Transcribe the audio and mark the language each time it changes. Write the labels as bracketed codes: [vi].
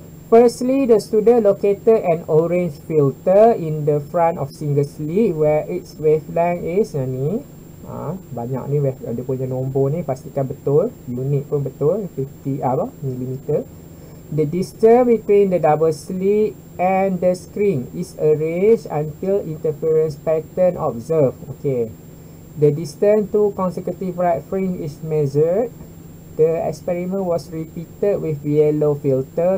[en] Firstly, the student located an orange filter in the front of single slit where its wavelength is. [ms] Yang ni. Banyak ni dia punya nombor ni. Pastikan betul. Unit pun betul. 50 apa? Millimeter. [en] The distance between the double slit and the screen is arranged until interference pattern observed. Okay. The distance to consecutive bright fringe is measured. The experiment was repeated with yellow filter.